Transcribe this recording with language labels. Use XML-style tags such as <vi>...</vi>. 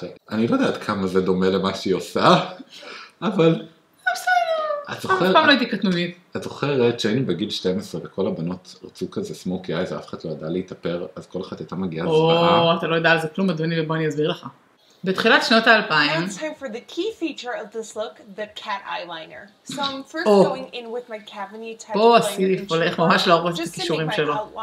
<he>אני לא יודעת כמה זה דומה למה שהיא עושה, אבל... בסדר. אף פעם לא הייתי קטנונית. את זוכרת שהיינו בגיל 12 וכל הבנות רצו כזה סמוקי אייז, אף אחד לא ידע להתאפר, אז כל אחת הייתה מגיעה זוועה. או, אתה לא יודע על זה כלום, אדוני, ובוא אני אסביר לך. בתחילת שנות ה-2000...</he> <en>It's time for the key feature of this look, the cat eyeliner. So I'm first going in with my cavity touch liner.</en> <he>בוא, סיליף, הולך ממש להראות את הקישורים שלו.</he>